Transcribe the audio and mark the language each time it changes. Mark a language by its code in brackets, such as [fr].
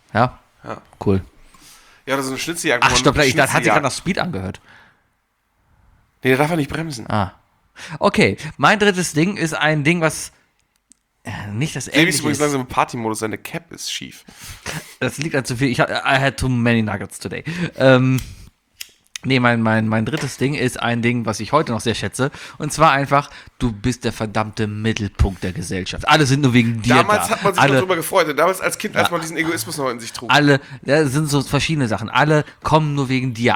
[de] Ja? Ja. Cool. Ja, das ist eine Schnitzeljagd. Ach, stopp, ich dachte, hat sich gerade nach Speed angehört. Nee, der darf ja nicht bremsen. Ah. Okay, mein drittes Ding ist ein Ding, was Nicht das Ähnliche. Sebi ist langsam im Partymodus, seine Cap ist schief. Das liegt an zu viel. [en] I had too many nuggets today. [de] Mein drittes Ding ist ein Ding, was ich heute noch sehr schätze. Und zwar einfach, du bist der verdammte Mittelpunkt der Gesellschaft. Alle sind nur wegen dir damals da. Damals hat man sich alle, noch drüber gefreut. Damals als Kind, als man diesen Egoismus noch in sich trug. Alle, das sind so verschiedene Sachen. Alle kommen nur wegen dir.